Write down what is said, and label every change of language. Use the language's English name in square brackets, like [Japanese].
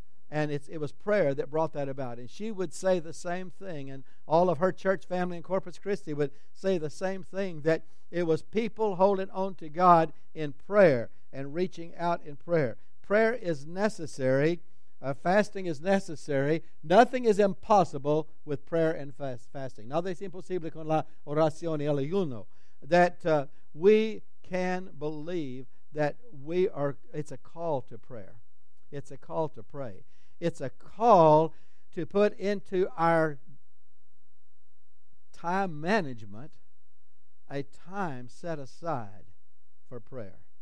[English] And it was prayer that brought that about. And she would say the same thing, and all of her church family in Corpus Christi would say the same thing, that it was people holding on to God in prayer and reaching out in prayer. Prayer is necessary. Fasting is necessary. Nothing is impossible with prayer and fasting. [Spanish] Nada es imposible con la oración y el ayuno. [English] That we can believe that it's a call to prayer. It's a call to pray. It's a call to put into our time management a time set aside for prayer.